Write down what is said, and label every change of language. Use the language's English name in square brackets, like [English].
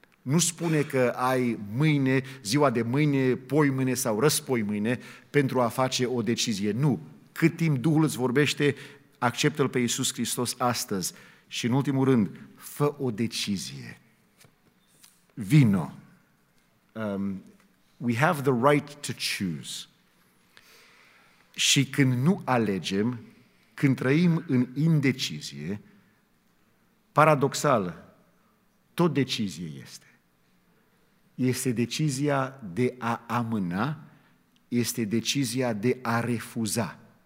[Romanian] Nu spune că ai mâine, ziua de mâine, poimâine sau răspoimâine pentru a face o decizie. Nu. Cât timp Duhul îți vorbește, acceptă-L pe Iisus Hristos astăzi. Și în ultimul rând, fă o decizie. Vino. [English] We have the right to choose. [Romanian] Și când nu alegem, când trăim în indecizie, paradoxal, tot decizie este. Este decizia de a amâna, este decizia de a refuza.